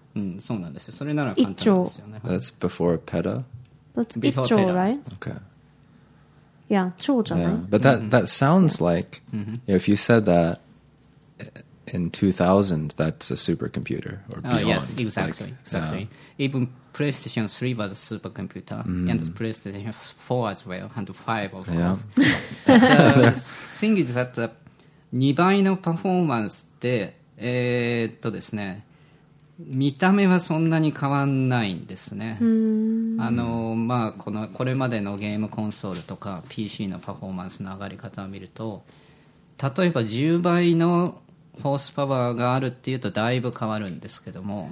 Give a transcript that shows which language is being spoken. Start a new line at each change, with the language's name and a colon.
Japanese: うん、そうなんですよ、それなら簡単ですよね。
English: That's before peta? That's 1兆 right? Okay. Yeah, 兆じゃない、yeah. But that, mm-hmm. that sounds like mm-hmm. if you said that in 2000, that's a supercomputer or beyond. Yes, exactly. Like, exactly. Yeah. Even PlayStation 3 was a supercomputer, mm. and PlayStation 4 as well, and 5, of course. Yeah. The thing is that
Japanese: 2倍のパフォーマンスで、ですね、見た目はそんなに変わんないんですね。 Mm. まあ、これまでのゲームコンソールとか PC のパフォーマンスの上がり方を見ると、例えば10倍のホースパワーがあるっていうとだいぶ変わるんですけども、